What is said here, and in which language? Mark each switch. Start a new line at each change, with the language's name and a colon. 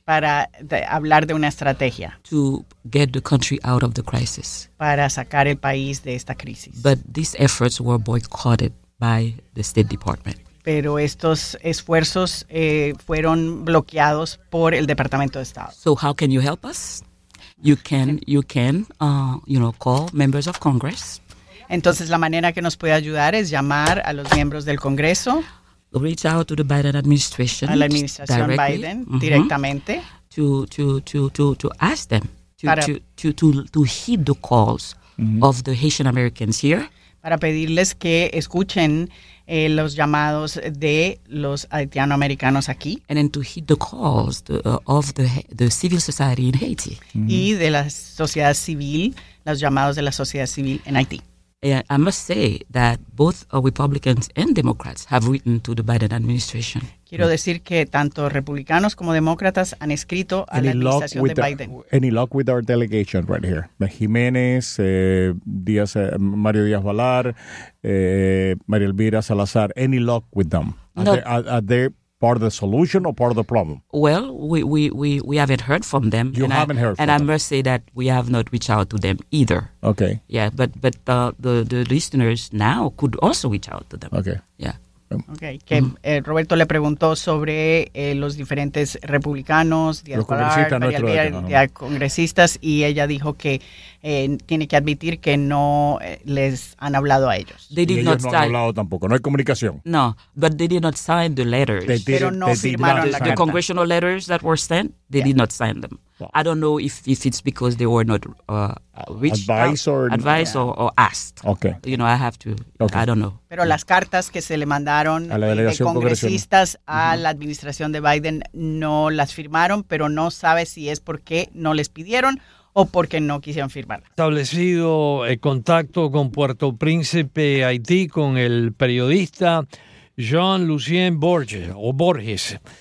Spanish: Para hablar de una estrategia.
English: To get the country out of the crisis.
Spanish: Para sacar el país de esta crisis.
English: But these efforts were boycotted by the State Department.
Spanish: Pero estos esfuerzos fueron bloqueados por el Departamento de Estado.
English: So how can you help us? You can call members of Congress.
Spanish: Entonces la manera que nos puede ayudar es llamar a los miembros del Congreso.
English: Reach out to the Biden administration.
Spanish: A la administración
English: directly,
Spanish: Biden directamente.
English: To ask them to heed the calls of the Haitian Americans here.
Spanish: Para pedirles que escuchen los llamados de los haitianoamericanos aquí.
English: And then to heed the calls of the civil society in Haiti. Mm-hmm.
Spanish: Y de la sociedad civil, los llamados de la sociedad civil en Haití.
English: I must say that both Republicans and Democrats have written to the Biden administration.
Spanish: Quiero decir que tanto republicanos como demócratas han escrito a
English: any
Spanish: la administración de Biden.
English: Any luck with our delegation right here? Jiménez, Mario Díaz-Balart, María Elvira Salazar. Any luck with them? Are they part of the solution or part of the problem? Well, we haven't heard from them. You haven't heard from them. And I must say that we have not reached out to them either. Okay. Yeah, but the listeners now could also reach out to them. Okay. Yeah.
Spanish: Okay, que Roberto le preguntó sobre los diferentes republicanos, congresistas, y ella dijo que tiene que admitir que no les han hablado a ellos.
English: They did not sign.
Spanish: No han hablado tampoco, no hay comunicación.
English: No, but they did not sign the letters.
Spanish: Pero no firmaron la carta.
English: The congressional letters that were sent, they did not sign them. I don't know if it's because they were not advised or asked. Okay. You know, I have to, okay. I don't know.
Spanish: Pero las cartas que se le mandaron a la delegación de congresistas a la administración de Biden no las firmaron, pero no sabe si es porque no les pidieron o porque no quisieron firmarlas. Establecido el contacto con Puerto Príncipe, Haití, con el periodista Jean Lucien Borges.